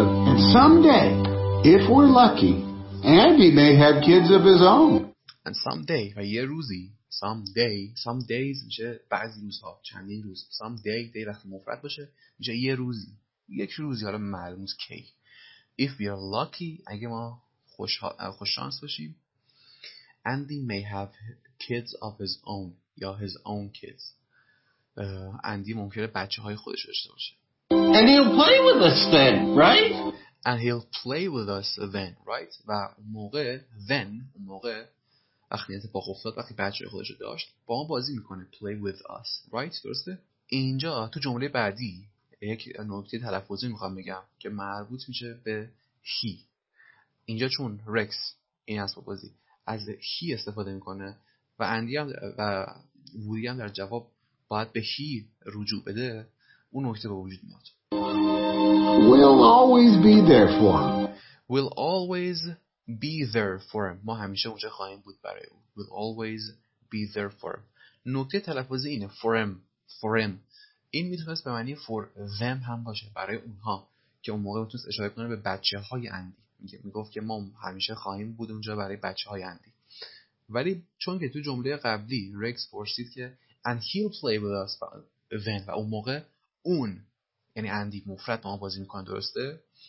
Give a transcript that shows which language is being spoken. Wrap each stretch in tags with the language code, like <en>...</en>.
<en>And someday if we're lucky Andy may have kids of his own. And someday</en> <fa>و یه روزی someday some days میشه بعضی روزها چندی روز someday day وقتی مفرد باشه میشه یه روزی یک روزی حالا معلومه کی.</fa> <en>If we are lucky</en> <fa>اگه ما خوش شانس باشیم</fa> <en>Andy may have kids of his own یا his own kids Andy</en> <fa>ممکنه بچه های خودش داشته باشه.</fa> <en>And he'll play with us then, right? And he'll play with us then, right?</en> <fa>و موقع then اون موقع وقتی اتفاق افتاد وقتی بچه های خودش داشت با ما بازی میکنه</fa> <en>play with us, right?</en> <fa>درسته؟ اینجا تو جمله بعدی یک نکته تلفظی میخوام بگم که مربوط میشه به he. اینجا چون رکس این اسباب بازی از هی استفاده میکنه و اندی هم و وودی هم در جواب باید به هی رجوع بده، اون نکته به وجود میاد.</fa> <en>We'll always be there for him. We'll always be there for him.</en> <fa>ما همیشه اونجا خواهیم بود برای او.</fa> <en>We'll always be there for him.</en> <fa>نکته تلفظی اینه for him.</fa> <en>For him.</en> <fa>این میتونست به معنی for them هم باشه، برای اونها که اون موقع میتونست اشاره کنه به بچه های اندی. میگفت که ما همیشه خواهیم بود اونجا برای بچه های اندی، ولی چون که تو جمله قبلی رکس پرسید که</fa> <en>and he'll play with us then</en> <fa>و اون موقع اون یعنی اندی مفرد ما بازی میکنه، درسته؟</fa>